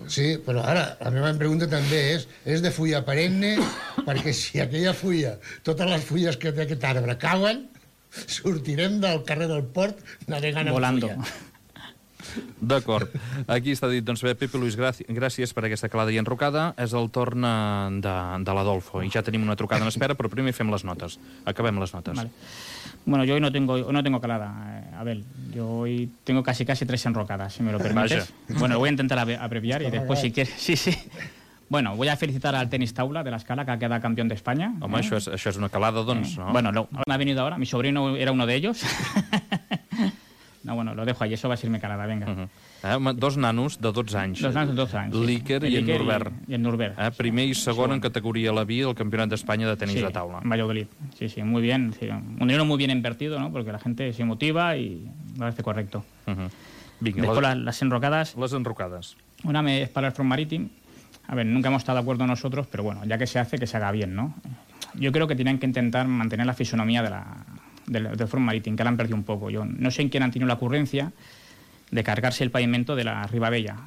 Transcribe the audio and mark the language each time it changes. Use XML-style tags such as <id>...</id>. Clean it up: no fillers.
<ca>Sí, però ara, la meva pregunta també és de fulla perenne, perquè si aquella fulla, totes les fulles que té aquest arbre cauen, sortirem del carrer del Port navegant en fulla.</ca> <es>Volando.</es> <ca>D'acord. Aquí està dit, doncs bé, Pepe Lluís, gràcies per aquesta calada i enrocada. És el torn de l'Adolfo. I ja tenim una trucada en espera, però primer fem les notes. Acabem les notes. Vale.</ca> <es>Bueno, yo hoy no tengo calada, Abel. Yo hoy tengo casi tres enrocadas, si me lo permites.</es> <ca>Vaja.</ca> <es>Bueno, voy a intentar abreviar y después si quieres... Sí, sí. Bueno, voy a felicitar al tenis taula de l'Escala,</es> <ca>que ha quedat campió d'Espanya. Home, això és una calada, doncs, no?</ca> <es>Bueno, me ha venido ahora. Mi sobrino era uno de ellos. No, bueno, lo dejo ahí, eso va a ser mi calada, venga.</es> <ca>Dos nanos de 12 anys. Dos nanos de 12 anys. L'Iker i en Norbert. I en Norbert. Primer i segon en categoria la vida del campionat d'Espanya de tenis sí, de taula.</ca> <es>Sí, en Valladolid. Sí, sí, muy bien. Sí, un dinero muy bien invertido, ¿no? Porque la gente se motiva y lo hace correcto.</es> <ca>Vinga,</ca> <es>después las enrocadas. Las enrocadas. Una es para el Front Marítim. A ver, nunca hemos estado de acuerdo nosotros, pero bueno, ya que se haga bien, ¿no? Yo creo que tienen que intentar mantener la fisonomía del Front Marítim, que la han perdido un poco. Yo no sé en quién han tenido la ocurrencia de cargarse el pavimento de la Ribabella.</es>